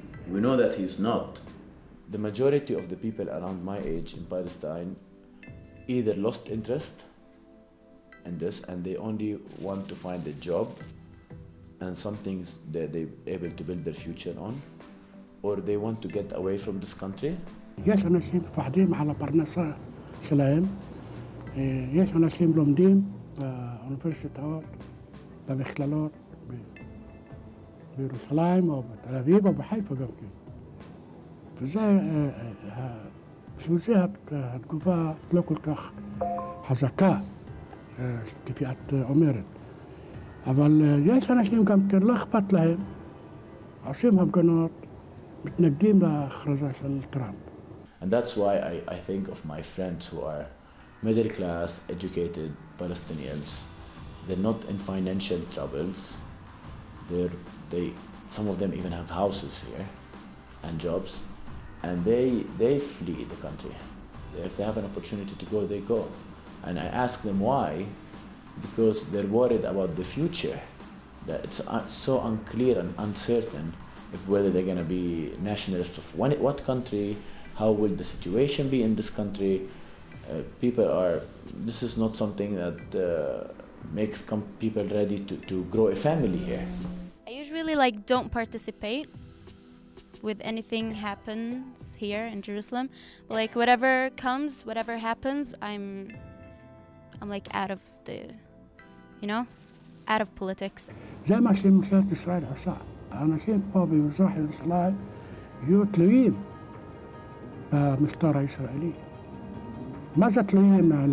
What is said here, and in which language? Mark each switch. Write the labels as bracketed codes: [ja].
[en] We know that he's not. The majority of the people around my age in Palestine either lost interest in this and they only want to find a job and something that they're able to build their future on, or they want to get away from this country. [he] יש אנשים פחדים על הפרנסה שלהם. יש אנשים לומדים באוניברסיטאות, במכללות, בירושלים או בתל אביב או בחיפה גם כן. וזה התגובה לא כל כך חזקה, כפי את אומרת. אבל יש אנשים גם כן לא אכפת להם, עושים הפגנות, מתנגדים להכרזה של טראמפ. [en] And that's why I think of my friends who are middle class, educated Palestinians. They're not in financial troubles. Some of them even have houses here and jobs. And they flee the country. If they have an opportunity to go, they go. And I ask them why, because they're worried about the future, that it's so unclear and uncertain if whether they're gonna be nationalists of what country, how will the situation be in this country. People are, this is not something that makes people ready to grow a family here. I usually like don't participate with anything happens here in Jerusalem. Like whatever comes, whatever happens, I'm like out of the, you know, out of politics. [he] זה מה שממשלת ישראל עושה. האנשים פה במזרח ירושלים יהיו תלויים במשטר הישראלי. מה זה תלויים?